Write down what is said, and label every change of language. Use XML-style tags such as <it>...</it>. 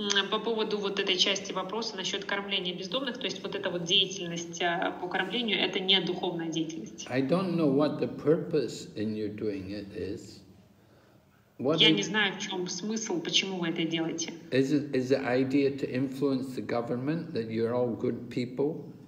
<ru>По поводу вот этой части вопроса насчет кормления бездомных, то есть вот эта вот деятельность по кормлению, это не духовная деятельность.</ru> <en>I don't know what the purpose in you doing it is.</en> <ru>Я не знаю, в чем смысл, почему вы это делаете.</ru> <en>Is the idea to influence the government that you're all good people?</en>